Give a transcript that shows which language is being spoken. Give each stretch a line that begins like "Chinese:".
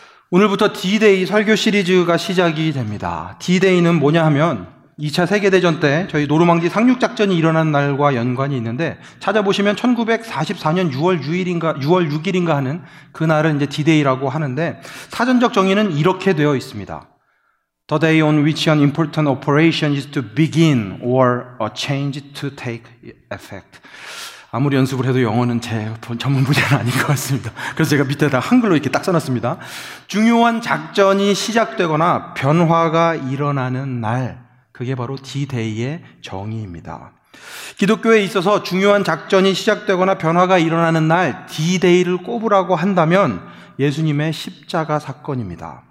Korean: 오늘부터 D-Day 설교 시리즈가 시작이 됩니다. D-Day는 뭐냐 하면 2차 세계대전 때 저희 노르망디 상륙작전이 일어난 날과 연관이 있는데, 찾아보시면 1944년 6월 6일인가 하는 그날을 이제 D-Day라고 하는데, 사전적 정의는 이렇게 되어 있습니다.
English: The day on which an important operation is to begin or a change to take effect.
Korean: 아무리 연습을 해도 영어는 제 전문 분야는 아닌 것 같습니다. 그래서 제가 밑에다 한글로 이렇게 딱 써놨습니다. 중요한 작전이 시작되거나 변화가 일어나는 날, 그게 바로 D-Day의 정의입니다. 기독교에 있어서 중요한 작전이 시작되거나 변화가 일어나는 날 D-Day를 꼽으라고 한다면 예수님의 십자가 사건입니다.